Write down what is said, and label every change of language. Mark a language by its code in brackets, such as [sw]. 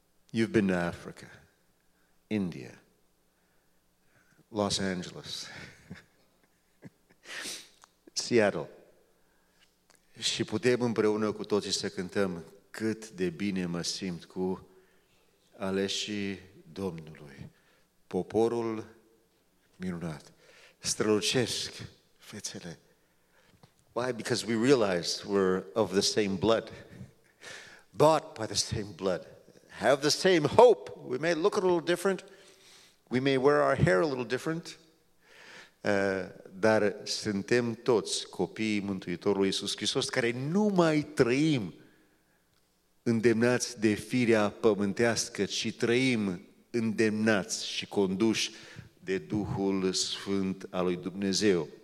[en] You've been to Africa, India, Los Angeles, Seattle. [ro] Și putem împreună cu toții să cântăm cât de bine mă simt cu aleșii Domnului, poporul minunat. Strălucesc fețele. [en] Why? Because we realize we're of the same blood, bought by the same blood, have the same hope. We may look a little different, [ro] we may wear our hair a little different, dar suntem toți copiii Mântuitorului Iisus Hristos, care nu mai trăim îndemnați de firea pământească, ci trăim îndemnați și conduși de Duhul Sfânt al lui Dumnezeu.